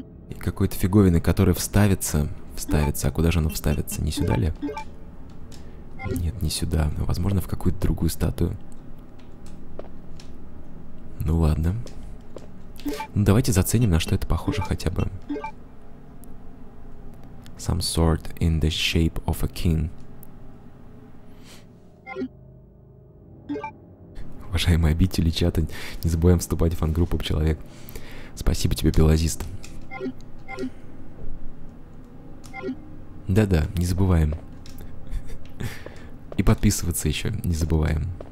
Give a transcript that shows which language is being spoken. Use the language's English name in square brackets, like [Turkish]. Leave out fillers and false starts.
[Russian] И какой-то фиговины, который вставится. А куда же оно вставится? Не сюда ли? Нет, не сюда. Возможно, в какую-то другую статую. Ну ладно. Ну давайте заценим, на что это похоже хотя бы. [English] Some sword in the shape of a king. [Russian] Уважаемые обители чата, не забываем вступать в фан-группу «Пчеловек». Спасибо тебе, Белозист. Да-да, не забываем. И подписываться еще не забываем.